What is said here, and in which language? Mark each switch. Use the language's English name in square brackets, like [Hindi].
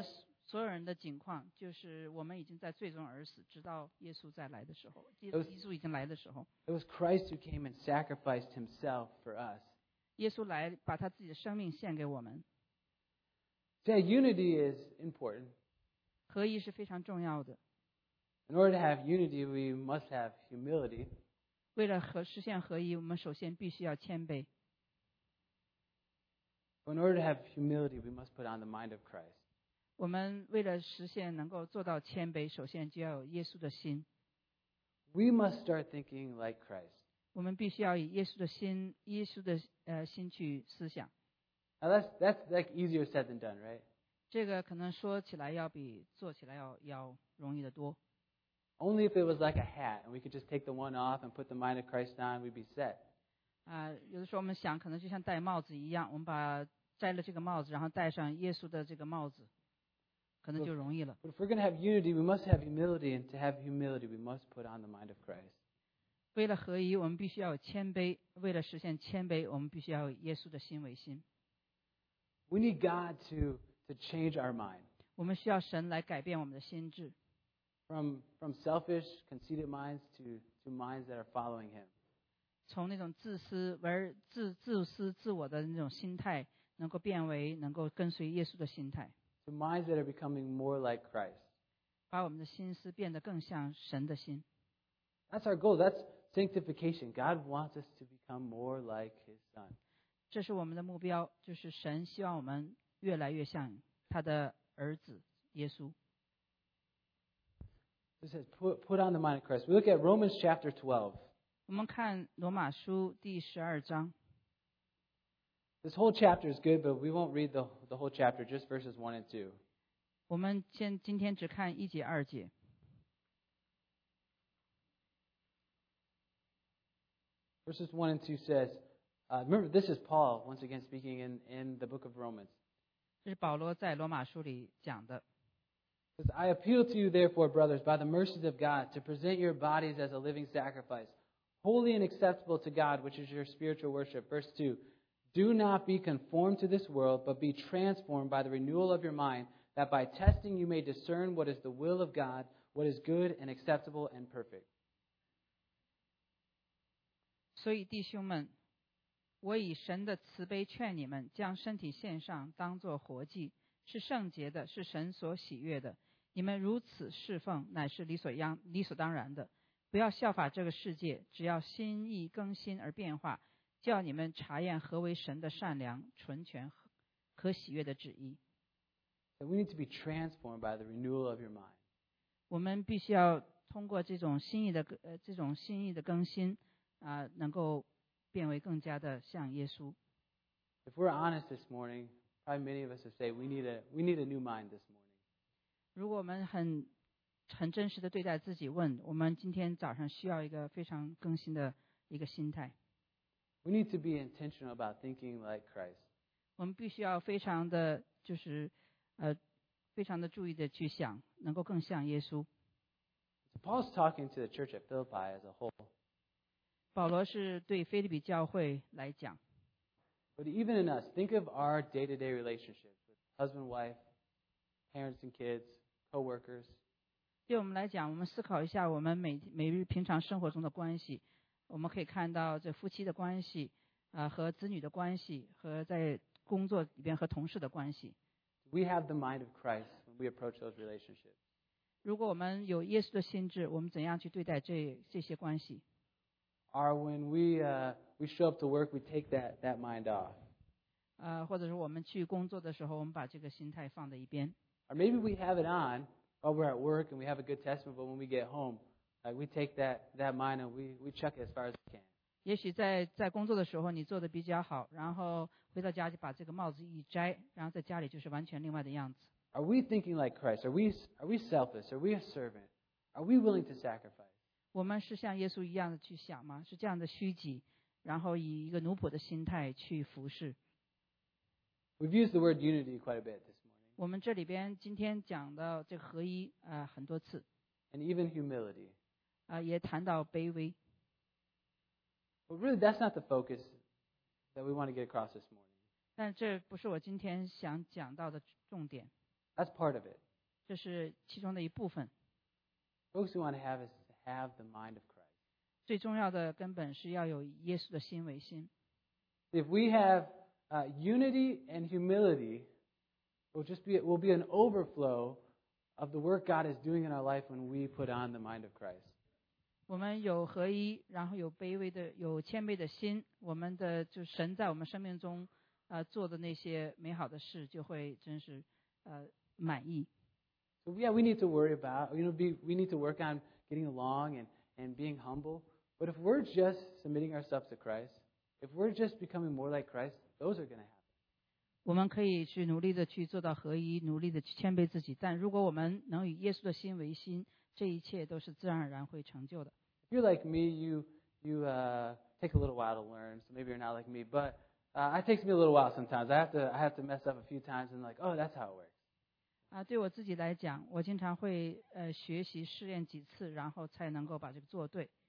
[Chinese] 就是我们所有人的境况，就是我们已经在罪中而死，直到耶稣再来的时候，耶稣已经来的时候。 [English] It was Christ who came and sacrificed himself for us. [Chinese] 耶稣来把他自己的生命献给我们。 [English] So unity is important. [Chinese] 合一是非常重要的。 [English] In order to have unity, we must have humility. [Chinese] 为了实现合一，我们首先必须要谦卑。 [English] In order to have humility, we must put on the mind of Christ. [Chinese] 我们为了实现能够做到谦卑，首先就要有耶稣的心。 [English] We must start thinking like Christ. [Chinese] 我们必须要以耶稣的心，耶稣的心去思想。 [English] Now that's like easier said than done, right? [Chinese] 这个可能说起来要比做起来要容易得多。 [English] Only if it was like a hat, and we could just take the one off and put the mind of Christ on, we'd be set. [Chinese] 有的时候我们想，可能就像戴帽子一样，我们把摘了这个帽子，然后戴上耶稣的这个帽子，可能就容易了。 [English] But if we're going to have unity, we must have humility, and to have humility, we must put on the mind of Christ. [Chinese] 为了合一，我们必须要有谦卑；为了实现谦卑，我们必须要有耶稣的心为心。 [English] We need God to change our mind. [Chinese] 我们需要神来改变我们的心智。 [English] From selfish, conceited minds to minds that are following Him. [Chinese] 从那种自私而自私自我的那种心态，能够变为能够跟随耶稣的心态。 [English] To minds that are becoming more like Christ. [Chinese] 把我们的心思变得更像神的心。 [English] That's our goal. That's sanctification. God wants us to become more like His Son. [Chinese] 这是我们的目标，就是神希望我们越来越像他的儿子耶稣。 [English] It says, put on the mind of Christ. We look at Romans chapter 12. [Chinese] 我们看罗马书第十二章。 [English] This whole chapter is good, but we won't read the whole chapter, just verses 1 and 2. [Chinese] 我们今天只看一节二节。 [English] Verses 1 and 2 says, remember, this is Paul, once again speaking in the book of Romans. [Chinese] 这是保罗在罗马书里讲的。 [English] I appeal to you, therefore, brothers, by the mercies of God, to present your bodies as a living sacrifice, holy and acceptable to God, which is your spiritual worship. Verse 2, do not be conformed to this world, but be transformed by the renewal of your mind, that by testing you may discern what is the will of God, what is good and acceptable and perfect. [Chinese] 所以弟兄们，我以神的慈悲劝你们，将身体献上，当作活祭。是圣洁的，是神所喜悦的。你们如此侍奉，乃是理所当然的。不要效法这个世界，只要心意更新而变化，叫你们查验何为神的善良、纯全和喜悦的旨意。 [English] We need to be transformed by the renewal of your mind. [Chinese] 我们必须要通过这种心意的这种心意的更新啊，能够变为更加的像耶稣。 [English] If we're honest this morning. Probably many of us have said we need a new mind this morning. [Chinese] 如果我们很真实的对待自己，问我们今天早上需要一个非常更新的一个心态。 [English] We need to be intentional about thinking like Christ. [Chinese] 我们必须要非常的就是非常的注意的去想，能够更像耶稣。 [English] So、Paul's talking to the church at Philippi as a whole. [Chinese] 保罗是对腓立比教会来讲。 [English] But even in us, think of our day-to-day relationships with husband, wife, parents and kids, co-workers. [Chinese] 对我们来讲，我们思考一下我们每日平常生活中的关系。我们可以看到这夫妻的关系，和子女的关系，和在工作里边和同事的关系。 [English] We have the mind of Christ when we approach those relationships. [Chinese] 如果我们有耶稣的心智，我们怎样去对待这些关系？ [English] or when we show up to work, we take that mind off. [Chinese] 或者是我们去工作的时候，我们把这个心态放在一边。 [English] Or maybe we have it on while we're at work and we have a good testimony, but when we get home, like we take that mind and we chuck it as far as we can. [Chinese] 也许在工作的时候你做的比较好，然后回到家就把这个帽子一摘，然后在家里就是完全另外的样子。 [English] Are we thinking like Christ? Are we selfish? Are we a servant? Are we willing to sacrifice? [Chinese] 我们是像耶稣一样的去想吗？是这样的虚己，然后以一个奴仆的心态去服侍。 [English] We've used the word unity quite a bit this morning. [Chinese] 我们这里边今天讲的这个合一很多次。 [English] And even humility. [Chinese] 也谈到卑微。 [English] But really, that's not the focus that we want to get across this morning. [Chinese] 但这不是我今天想讲到的重点。 [English] That's part of it. [Chinese] 这是其中的一部分。 [English] Folks, we want to have is to have the mind of Christ. [Chinese] 最重要的根本是要有耶稣的心为心。 [English] If we have unity and humility, will be an overflow of the work God is doing in our life when we put on the mind of Christ. [Chinese] 我们有合一，然后有卑微的、有谦卑的心，我们的就神在我们生命中做的那些美好的事，就会真是满意。 [English] So yeah, we need to worry about, you know, we need to work on getting along and being humble. But if we're just submitting ourselves to Christ, if we're just becoming more like Christ, those are going to happen. [Chinese] 我们可以去努力的去做到合一，努力的去谦卑自己。但如果我们能与耶稣的心为心，这一切都是自然而然会成就的。 [English] If you're like me, you take a little while to learn. So maybe you're not like me, but it takes me a little while sometimes. I have to mess up a few times and like, oh, that's how it works. [Chinese] 对我自己来讲，我经常会学习试验几次，然后才能够把这个做对。